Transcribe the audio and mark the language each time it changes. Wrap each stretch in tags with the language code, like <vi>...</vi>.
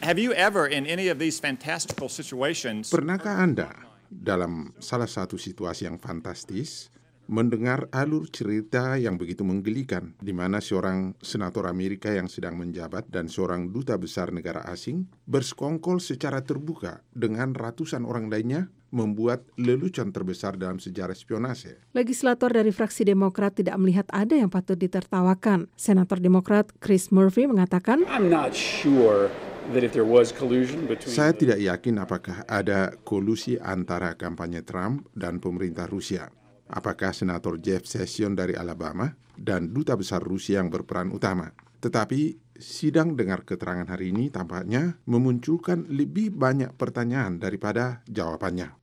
<en>Have you ever in any of these fantastical situations?</en> <id>Pernahkah Anda dalam salah satu situasi yang fantastis mendengar alur cerita yang begitu menggelikan, di mana seorang senator Amerika yang sedang menjabat dan seorang duta besar negara asing bersekongkol secara terbuka dengan ratusan orang lainnya membuat lelucon terbesar dalam sejarah spionase? Legislator dari fraksi Demokrat tidak melihat ada yang patut ditertawakan. Senator Demokrat Chris Murphy mengatakan,</id> <en>"I'm not sure that if there was collusion between..."</en> <id>Saya tidak yakin apakah ada kolusi antara kampanye Trump dan pemerintah Rusia. Apakah Senator Jeff Sessions dari Alabama dan duta besar Rusia yang berperan utama? Tetapi sidang dengar keterangan hari ini tampaknya memunculkan lebih banyak pertanyaan daripada jawabannya.</id>